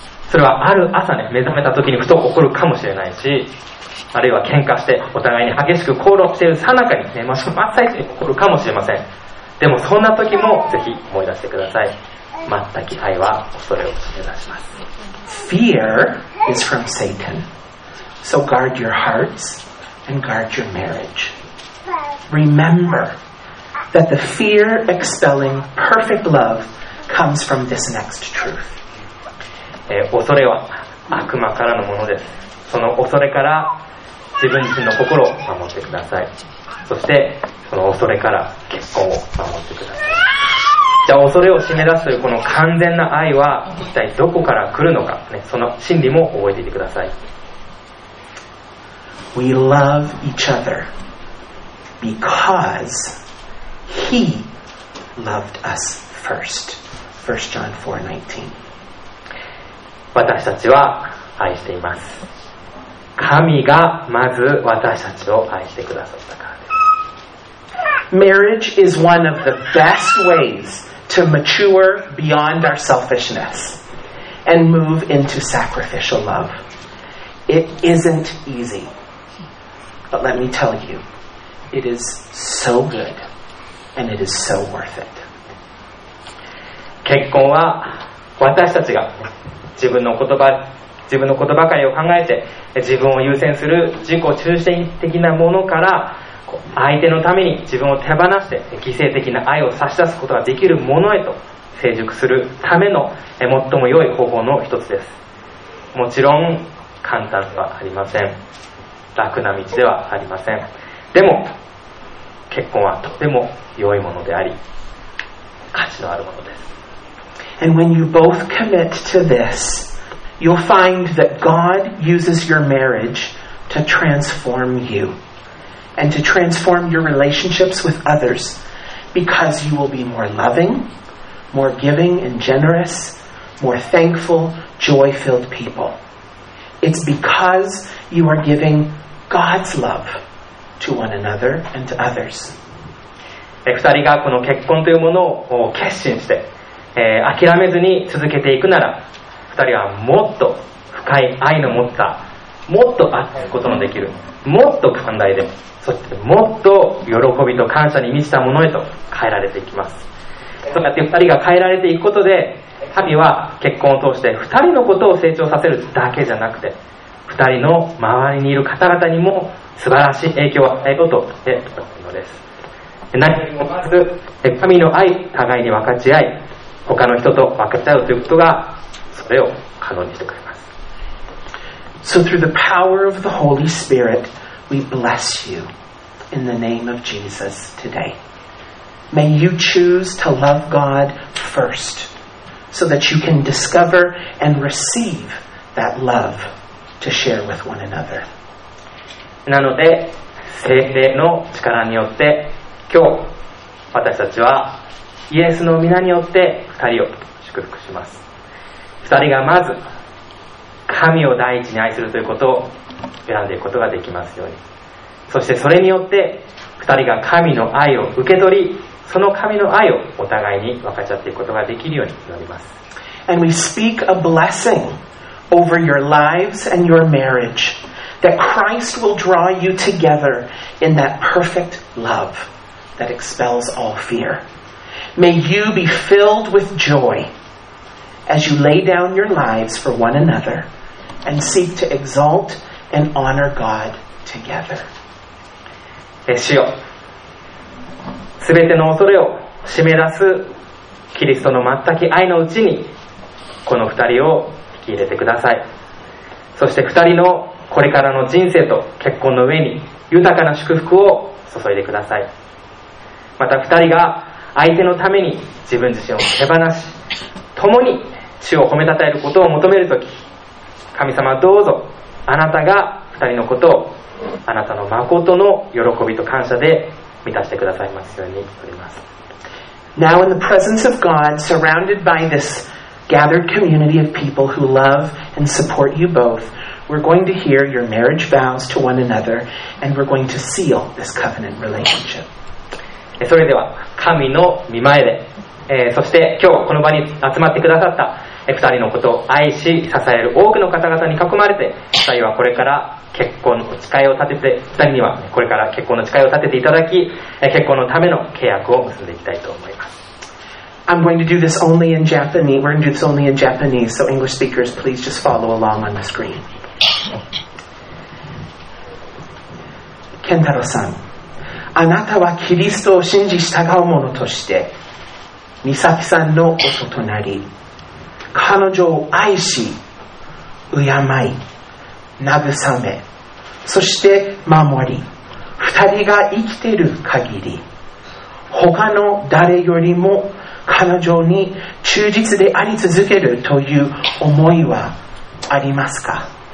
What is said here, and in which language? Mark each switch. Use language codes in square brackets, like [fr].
[ja] それはある朝ね、目覚めた時にふと起こるかもしれないし、あるいは喧嘩してお互いに激しく口論している最中に、ね、真っ最中に起こるかもしれません。でもそんな時もぜひ思い出してください。全く愛は恐れを締め出します。 [en] Fear is from Satan. So guard your hearts and guard your marriage. Remember that the fear expelling perfect love comes from this next truth. [ja] 恐れは悪魔からのものです。その恐れから自分自身の心を守ってください。そしてその恐れから結婚を守ってください。じゃあ恐れを締め出すというこの完全な愛は一体どこから来るのか、ね、その真理も覚えていてください。 [en] We love each other because he loved us first. 1 John 4:19. [ja] 私たちは愛しています。神がまず私たちを愛してくださったから。 [en] Marriage is one of the best ways to mature beyond our selfishness and move into sacrificial love. It isn't easy, but let me tell you, it is so good and it is so worth it. [ja] 結婚は私たちが自分のことばかりを考えて自分を優先する自己中心的なものから相手のために自分を手放して犠牲的な愛を差し出すことができるものへと成熟するための最も良い方法の一つです。もちろん簡単ではありません。楽な道ではありません。でも結婚はとても良いものであり価値のあるものです。 [en] And when you both commit to this, you'll find that God uses your marriage to transform you and to transform your relationships with others, because you will be more loving, more giving and generous, more thankful, joy-filled people. It's because you are giving God's love to one another and to others. [ja] 二人がこの結婚というものを決心して、諦めずに続けていくなら、二人はもっと深い愛の持った、もっと愛することのできる、もっと寛大で、そしてもっと喜びと感謝に満ちたものへと変えられていきます。そうやって二人が変えられていくことで、神は結婚を通して二人のことを成長させるだけじゃなくて、二人の周りにいる方々にも素晴らしい影響を与えようとしているのです。何よりもまず神の愛、互いに分かち合い、他の人と分かち合うということが、それを可能にしてくれます。 [en] So through the power of the Holy Spirit, we bless you in the name of Jesus today. May you choose to love God first, so that you can discover and receive that love to share with one another. [ja] なので、聖霊の力によって、今日私たちはイエスの御名によって二人を祝福します。二人がまず神を第一に愛するということを選んでいくことができますように、そしてそれによって二人が神の愛を受け取り、その神の愛をお互いに分かち合っていくことができるようになります。 [en] And we speak a blessing over your lives and your marriage, that Christ will draw you together in that perfect loveThat expels all fear. May you be filled with joy as you lay down your lives for one another and seek to exalt and honor God together. [ja] 主よ、すべての恐れを締め出すキリストの全き愛のうちに、この二人を引き入れてください。そして二人のこれからの人生と結婚の上に豊かな祝福を注いでください。また二人が相手のために自分自身を手放し、共に主を褒めたたえることを求めるとき、神様どうぞあなたが二人のことをあなたの誠の喜びと感謝で満たしてくださいますようにおります。 [en] Now in the presence of God, surrounded by this gathered community of people who love and support you both, we're going to hear your marriage vows to one another, and we're going to seal this covenant relationship. [ja] それでは神の御前で、そして今日この場に集まってくださった二人のことを愛し支える多くの方々に囲まれて、二人はこれから結婚の誓いを立てて、二人にはこれから結婚の誓いを立てていただき、結婚のための契約を結んでいきたいと思います。 [en] I'm going to do this only in Japanese. We're going to do this only in Japanese, so English speakers, please just follow along on the screen. [ja] Kentaro さん、あなたはキリストを信じ従う者として、美咲さんの夫となり、彼女を愛し、敬い、慰め、そして守り、二人が生きている限り、他の誰よりも彼女に忠実であり続けるという思いはありますか？